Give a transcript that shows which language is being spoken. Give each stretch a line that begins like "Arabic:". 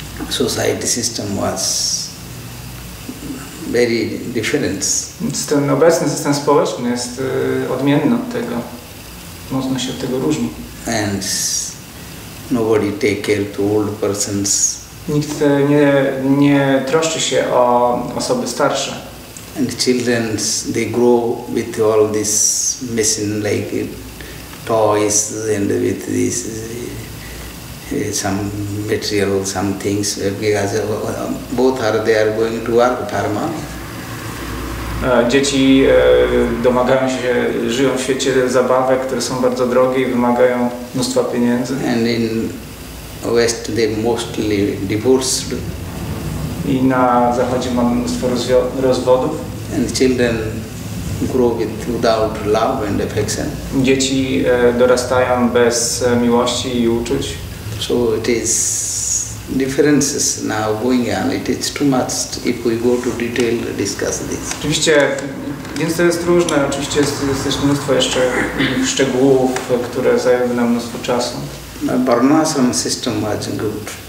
English: Society system was very different.
Polish: Ten obecny system społeczny jest odmienny od tego. Można się od tego różni.
English: And nobody take care to old persons.
Polish: Nikt nie troszczy się o osoby starsze.
English: And children, they grow with all this machine, like toys and with this some material, some things, because both are they are going to work for money.
Polish: Dzieci domagają się, żyją w świecie zabawek, które są bardzo drogie i wymagają mnóstwa pieniędzy.
English: And in West, they mostly divorced.
Polish: I na Zachodzie mamy mnóstwo rozwodów.
English: And children grow without love and affection.
Polish: Dzieci dorastają bez miłości i uczuć.
English: So it is differences now going on. It is too much if we go to detail discuss this.
Polish: Oczywiście, więc to jest różne. Oczywiście jest mnóstwo jeszcze szczegółów, które zajęły nam mnóstwo czasu.
English: Varnasram system was good.